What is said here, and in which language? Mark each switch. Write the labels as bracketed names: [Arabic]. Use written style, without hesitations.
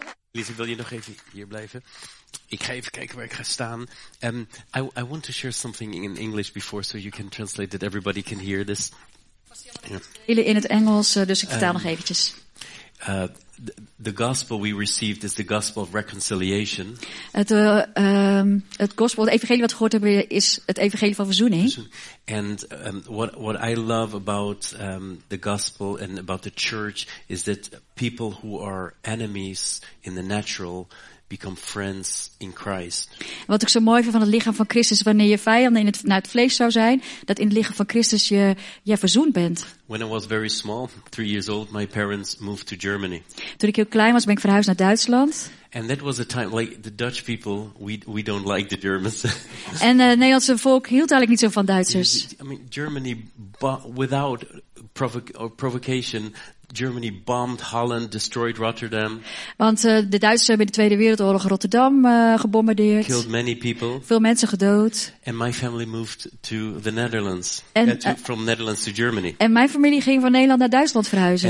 [Dutch] Lise, wil je nog even hier blijven? Ik ga even kijken waar ik ga staan. [English] I want to share something in English before, so you can translate that everybody can hear this. Yeah. [Dutch] In het Engels, dus ik vertaal nog eventjes. [English] The gospel we received is the gospel of reconciliation. [Dutch] Het gospel, het evangelie wat we gehoord hebben, is het evangelie van verzoening. [English] And what I love about the gospel and about the church is that people who are enemies in the natural become friends in Christ. [Dutch] Wat ik zo mooi vind van het lichaam van Christus, wanneer je vijanden in het, naar het vlees zou zijn, dat in het lichaam van Christus je verzoend bent. [English] When I was very small, 3 years old, my parents moved to Germany. [Dutch] Toen ik heel klein was, ben ik verhuisd naar Duitsland. [English] And that was a time like the Dutch people, we don't like the Germans. [Dutch] En het Nederlandse volk hield eigenlijk niet zo van Duitsers. [English] I mean, Germany, without provocation. Germany bombed Holland, destroyed Rotterdam. [Dutch] Want de Duitsers hebben in de Tweede Wereldoorlog Rotterdam gebombardeerd. [English] Killed many people. [Dutch] Veel mensen gedood. [English] And my family moved to the Netherlands. From Netherlands to Germany. [Dutch] En mijn familie ging van Nederland naar Duitsland verhuizen.